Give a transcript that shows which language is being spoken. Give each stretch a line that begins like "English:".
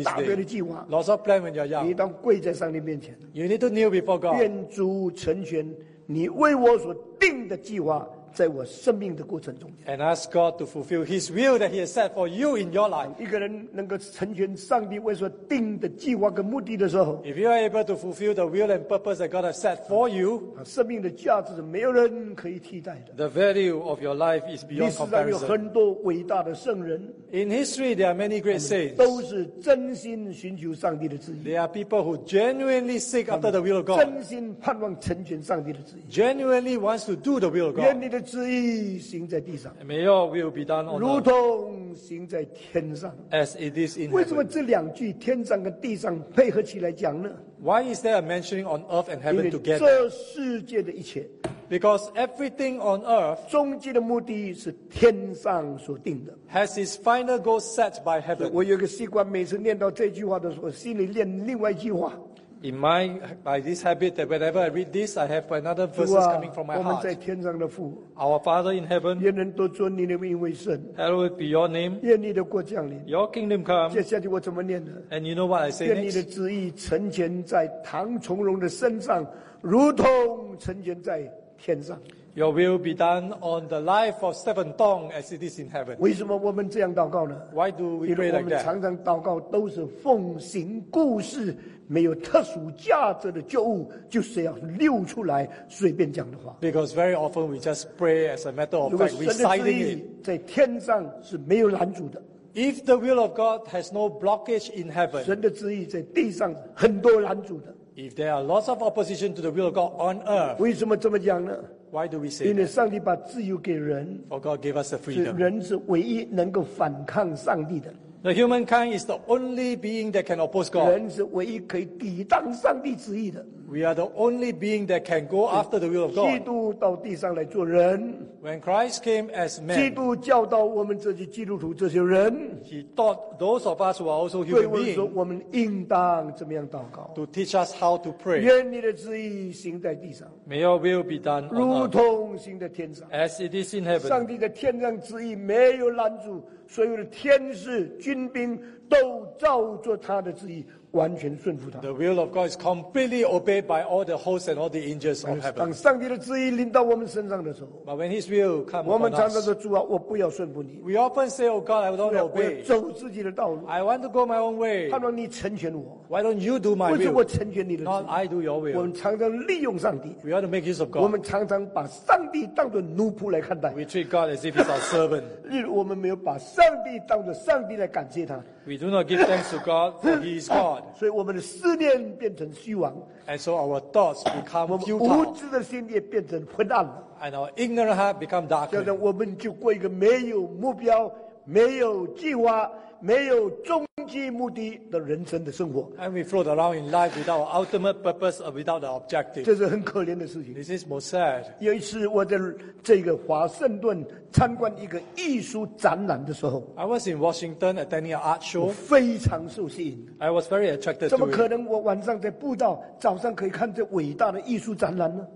Chinese: 一大堆的计划。
English: Lots of plan when you're young.
Chinese: 你当跪在上帝面前。
English: You need to kneel before God.
Chinese: 愿主成全你为我所定的计划，在我生命的过程中间。
English: And ask God to fulfill His will that He has set for you in your life.
Chinese: 一个人能够成全上帝为所定的计划跟目的的时候
English: ，If you are able to fulfill the will and purpose that God has set for you,
Chinese: 生命的价值是没有人可以替代的。
English: The value of your life is beyond comparison.
Chinese: 历史上有很多伟大的圣人。
English: In history, there are many great saints.
Chinese: 都是真心寻求上帝的旨意。
English: They are people who genuinely seek after the will of God.
Chinese: 真心盼望成全上帝的旨意。
English: Genuinely wants to do the will of God.
Chinese: 愿你的旨意行在地上
English: May your will be done on earth,
Chinese: 如同行在天上
English: as it is in
Chinese: 为什么这两句天上跟地上配合起来讲呢
English: Why is there a mentioning on earth and heaven together?
Chinese: 这世界的一切
English: Because everything on earth
Chinese: 终极的目的是天上所定的
English: Has its final goal set by heaven
Chinese: 我有个习惯每次念到这句话的时候心里念另外一句话
English: In my, by this habit that whenever I read this, I have another verses coming from my heart.
Chinese: 我们在天上的父
English: Our Father in heaven.
Chinese: 愿人都尊你的名为圣
English: Hallowed be your name.
Chinese: 愿你的国降临
English: Your kingdom come.
Chinese: 接下去我怎么念的
English: And you know what I say next?
Chinese: 愿你的旨意成全在唐从容的身上，如同成全在天上。
English: Your will be done on the life of Stephen Tong as it is in heaven.
Chinese: 为什么我们这样祷告呢
English: ？Why do we pray like that?
Chinese: 我们常常祷告都是奉行故事。没有特殊价值的旧物就是要溜出来随便讲的话
English: because very often we just pray as a matter of fact reciting it
Chinese: 在天上是没有拦阻的
English: if the will of God has no blockage in heaven
Chinese: 神的旨意在地上很多拦阻的
English: if there are lots of opposition to the will of God on earth
Chinese: 为什么这么讲呢
English: why do we say
Chinese: 因为上帝把自由给人
English: for God gave us the freedom
Chinese: 人是唯一能够反抗上帝的
English: The humankind is the only being that can oppose God.
Chinese: 人是唯一可以抵挡上帝旨意的。
English: We are the only being that can go after the will of God.
Chinese: 基督到地上来做人。
English: When Christ came as man.
Chinese: 基督教导我们这些基督徒这些人。
English: He taught those of us who are also human beings.
Chinese: 对我们说我们应当怎么样祷告。
English: To teach us how to pray.
Chinese: 愿你的旨意行在地上。
English: May your will be done on earth.
Chinese: 如同行在天上。
English: As it is in heaven.
Chinese: 上帝的天上旨意没有拦阻，所有的天使军兵都照着他的旨意完全顺服他。
English: The will of God is completely obeyed by all the hosts and all the angels of heaven.
Chinese: 当上帝的旨意临到我们身上的时候，
English: But when His will comes upon us,
Chinese: 我们常常说主啊，我不要顺服你。
English: We often say, "Oh God, I don't obey."
Chinese: 我要走自己的道路。
English: I want to go my own way.
Chinese: 他说你成全我。
English: Why don't you do my will?
Chinese: 不是我成全你的旨意。
English: Not I do your will.
Chinese: 我们常常利用上帝。
English: We ought to make use of God.
Chinese: 我们常常把上帝当作奴仆来看待。
English: We treat God as if He's our servant.
Chinese: 例如我们没有把上帝当作上帝来感谢他。
English: We do not give thanks to God, for He is God.
Chinese: 所以我们的思念变成虚妄。
English: And so our thoughts become futile.
Chinese: 我们无知的心也变成昏暗。
English: And our ignorant heart become darkened.
Chinese: 这样我们就过一个没有目标、没有计划、没有终极目的的人生的生活。
English: And we float around in life without our ultimate purpose or without our objective.
Chinese: 这是很可怜的事情。
English: This is more sad.
Chinese: 有一次我在这个华盛顿参观一个艺术展览的时候，
English: I was in Washington attending an art show.
Chinese: 我非常受吸引。
English: I was very attracted.
Chinese: 怎么可能我晚上在步道，早上可以看这伟大的艺术展览呢？